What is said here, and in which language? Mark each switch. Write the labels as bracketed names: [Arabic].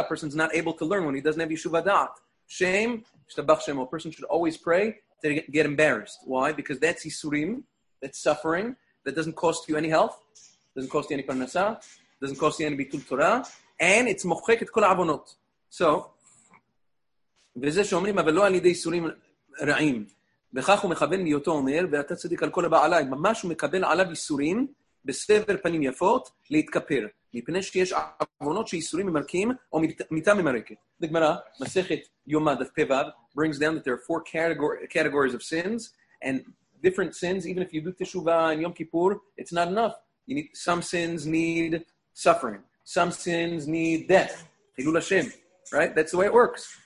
[English] A person's not able to learn when he doesn't have Yeshuva Da'at. Shame, Shtabach Shem, a person should always pray to get embarrassed. Why? Because that's Yisurim, that's suffering, that doesn't cost you any health, doesn't cost you any Parnasa, doesn't cost you any Bitul Torah, and it's Mochek et Kol Avonot. [Hebrew] So, וזה שאומרים, אבל לא על ידי Yisurim רעים. וכך הוא מכוון מיותו אומר, ואתה צדיק על כל הבא עליי. ממש הוא מקבל עליו Yisurim, בסבר פנים יפות, להתכפר. מפני שיש עוונות שיסורים ממרקים או מיטה ממרקת. דגמרה, מסכת יומא דף פבב, [English] brings down that there are four categories of sins, and different sins, even if you do teshuvah and Yom Kippur, it's not enough. You need, some sins need suffering. Some sins need death. Chilul Hashem, right? That's the way it works.